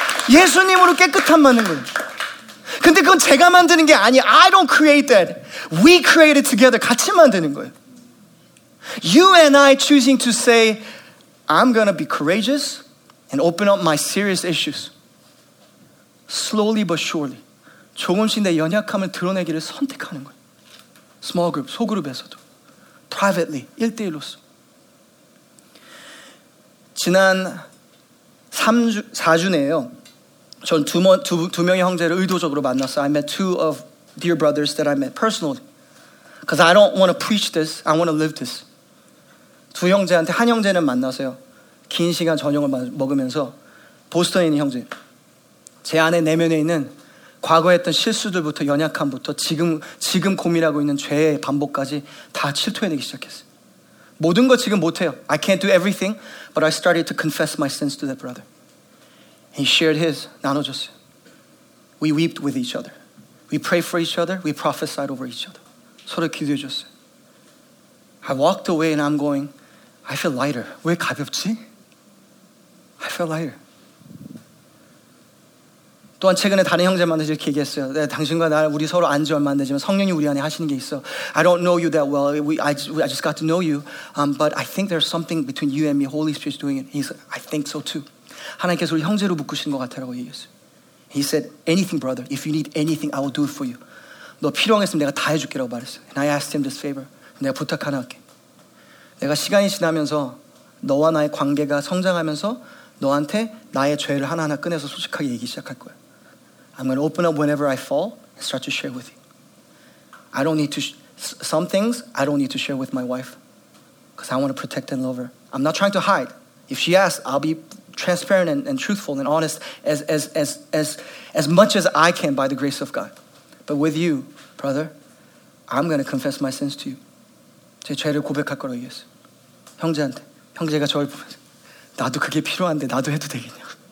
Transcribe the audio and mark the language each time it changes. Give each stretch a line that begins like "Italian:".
Korean: 예수님으로 깨끗한 만든 거예요. 근데 그건 제가 만드는 게 아니에요.
English: I don't create that. We create it together.
Korean: 같이 만드는 거예요.
English: You and I choosing to say, I'm going to be courageous and open up my serious issues. Slowly but surely.
Korean: 조금씩 내 연약함을 드러내기를 선택하는 거예요.
English: Small group,
Korean: 소그룹에서도.
English: Privately,
Korean: 1대1로서. 지난 4주 내에요. 전 두 명의 형제를 의도적으로 만났어.
English: I met two of dear brothers that I met personally. Because I don't want to preach this. I want to live this.
Korean: 두 형제한테 한 형제는 만났어요. 긴 시간 저녁을 먹으면서 보스턴에 있는 형제. 제 안에 내면에 있는 과거했던 실수들부터 연약함부터 지금 고민하고 있는 죄의 반복까지 다 침투해내기 시작했어요. 모든 거 지금 못해요.
English: I can't do everything, but I started to confess my sins to that brother. He shared his,
Korean: 나눠줬어요.
English: We wept with each other. We prayed for each other. We prophesied over each other.
Korean: 서로 기도해줬어요.
English: I walked away and I'm going, I feel lighter.
Korean: 왜 가볍지?
English: I feel lighter.
Korean: 또한 최근에 다른 형제 만나서 이렇게 얘기했어요. 네, 당신과 나 우리 서로 안 지 얼마 안 되지만 성령이 우리 안에 하시는 게 있어.
English: I don't know you that well. I just got to know you. But I think there's something between you and me. Holy Spirit's doing it. He's like, I think so too.
Korean: 하나님께서 우리 형제로 묶으신 것 같아라고 얘기했어요.
English: He said, anything, brother. If you need anything, I will do it for you.
Korean: 너 필요하겠으면 내가 다 해줄게라고 말했어요.
English: And I asked him this favor.
Korean: 내가 부탁 하나 할게. 내가 시간이 지나면서 너와 나의 관계가 성장하면서 너한테 나의 죄를 하나하나 꺼내서 솔직하게 얘기 시작할 거야.
English: I'm going to open up whenever I fall and start to share with you. I don't need to, some things I don't need to share with my wife because I want to protect and love her. I'm not trying to hide. If she asks, I'll be transparent and truthful and honest as much as I can by the grace of God. But with you, brother, I'm going to confess my sins to you.
Korean: 제 죄를 고백할 거라고 얘기했어요. 형제한테, 형제가 저를 보면서 나도 그게 필요한데 나도 해도 되겠냐.